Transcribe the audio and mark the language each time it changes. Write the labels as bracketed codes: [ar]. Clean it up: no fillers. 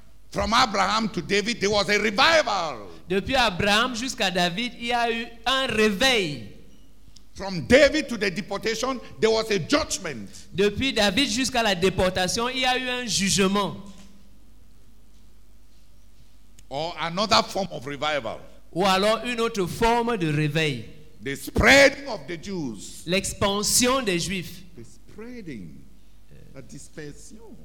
[en] From Abraham to David, there was a revival. [fr] Depuis Abraham jusqu'à David, il y a eu un réveil. [en] From David to the deportation, there was a judgment. [fr] Depuis David jusqu'à la déportation, il y a eu un jugement. [en] Or another form of revival. [fr] Ou alors une autre forme de réveil. [en] The spreading of the Jews. [fr] L'expansion des Juifs. [en] The spreading. [fr] La dispersion.